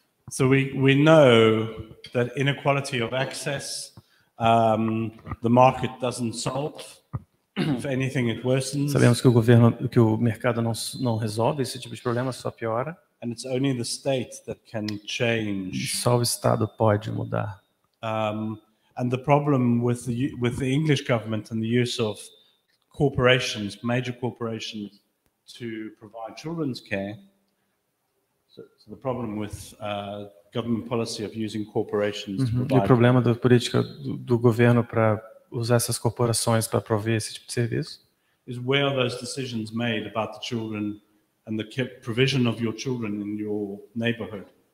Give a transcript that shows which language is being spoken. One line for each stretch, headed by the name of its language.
English: So we know that inequality of access the market doesn't solve. If anything, it worsens.
Portuguese: Sabemos que o mercado não resolve esse tipo de problema, só piora.
English: And it's only the state that can change.
Portuguese: Só o estado pode mudar.
English: And the problem with the English government and the use of corporations, major corporations, to provide children's care. So the problem with government policy of using corporations to provide.
Portuguese: E o problema da política do governo para usar essas corporações para prover esse tipo de serviço.
English: Is where are those decisions made about the children and the provision of your children in your neighborhood?